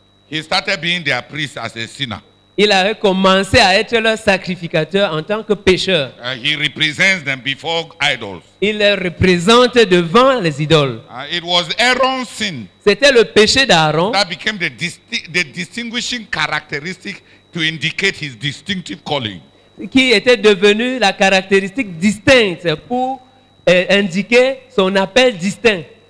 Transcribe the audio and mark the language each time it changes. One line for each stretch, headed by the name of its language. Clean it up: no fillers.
English: He started being their priest as a sinner.
French: Il avait commencé à être leur sacrificateur en tant que pécheur.
English: He represents them before idols.
French: Il les représente devant les idoles.
English: It was Aaron's sin.
French: C'était le péché d'Aaron.
English: That became the distinguishing characteristic to indicate his distinctive calling.
French: Qui était devenu la caractéristique distincte pour indiquer son appel distinct.